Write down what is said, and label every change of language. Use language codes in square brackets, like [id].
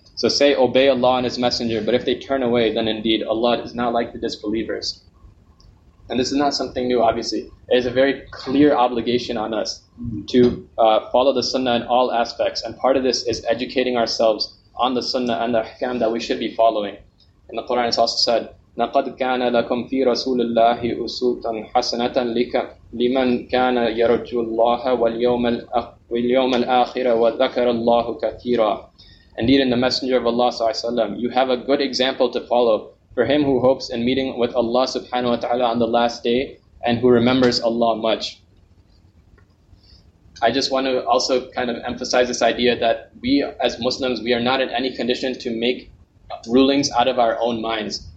[en] So say, obey Allah and His Messenger, but if they turn away, then indeed Allah is not like the disbelievers. And this is not something new, obviously. It is a very clear obligation on us to follow the Sunnah in all aspects. And part of this is educating ourselves on the Sunnah and the Ahkam that we should be following. [ar] In the Quran, it's also said, لقد كان لكم في رسول الله أسوة حسنة لمن كان يرجو الله واليوم الآخر وذكر الله كثيرا. [en] Indeed, in the Messenger of Allah sallallahu alaihi wasallam, you have a good example to follow for him who hopes in meeting with Allah subhanahu wa ta'ala on the last day and who remembers Allah much. I just want to also kind of emphasize this idea that we as Muslims, we are not in any condition to make rulings out of our own minds.